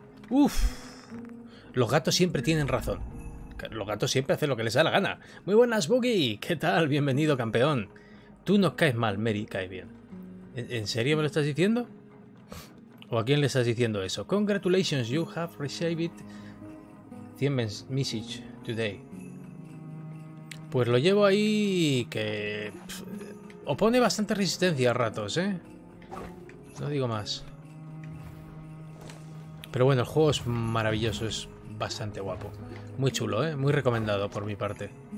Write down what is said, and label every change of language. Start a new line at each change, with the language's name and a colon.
Spanish: Uf. Los gatos siempre tienen razón. Los gatos siempre hacen lo que les da la gana. Muy buenas, Boogie. ¿Qué tal? Bienvenido, campeón. Tú nos caes mal, Mary cae bien. ¿En serio me lo estás diciendo? ¿O a quién le estás diciendo eso?
English: Congratulations, you have received 100 messages today.
Spanish: Pues lo llevo ahí que... opone bastante resistencia a ratos, ¿eh? No digo más. Pero bueno, el juego es maravilloso, es bastante guapo. Muy chulo, ¿eh? Muy recomendado por mi parte.